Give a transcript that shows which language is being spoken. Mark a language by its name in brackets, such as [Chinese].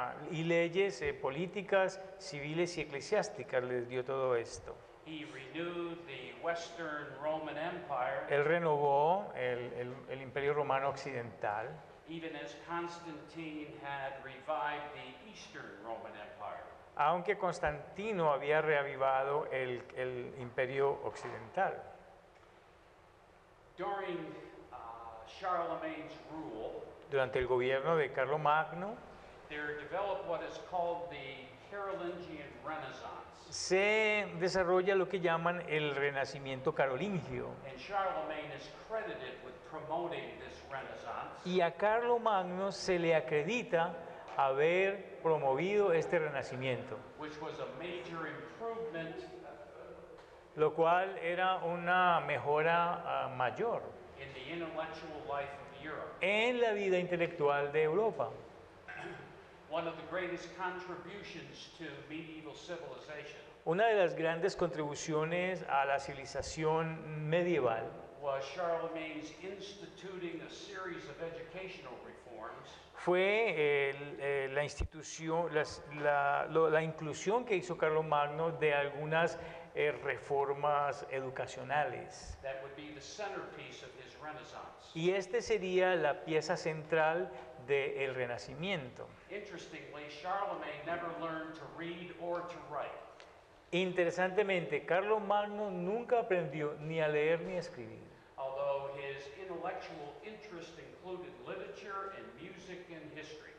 [Spanish] Y leyes políticas, civiles y eclesiásticas les dio todo esto. [English] He renewed the Western Roman Empire. [Spanish] Él renovó el Imperio Romano Occidental. [English] Even as Constantine had revived the Eastern Roman Empire. [Spanish] Aunque Constantino había reavivado el Imperio Occidental. [English] During Charlemagne's rule, [Spanish] durante el gobierno de Carlomagno, [English] there developed what is called the Carolingian Renaissance. [Spanish] Se desarrolla lo que llaman el Renacimiento Carolingio. [English] And Charlemagne is credited with promoting this Renaissance. [Spanish] Y a Carlomagno se le acredita haber promovido este Renacimiento, [English] which was a major improvement, [Spanish] lo cual era una mejora mayor [English] in the intellectual life of Europe. [Spanish] En la vida intelectual de Europa. [English] One of the greatest contributions to medieval civilization. [Spanish] Una de las grandes contribuciones a la civilización medieval [English] was Charlemagne's instituting a series of educational reforms. [Spanish] Fue la institución, la inclusión que hizo Carlomagno de algunas reformas educacionales. [English] That would be the centerpiece of his Renaissance. [Spanish] Y este sería la pieza central del Renacimiento. [English] Interestingly, Charlemagne never learned to read or to write. [Spanish] Interesantemente, Carlomagno nunca aprendió ni a leer ni a escribir. [English] Although his intellectual interest included literature and music and history.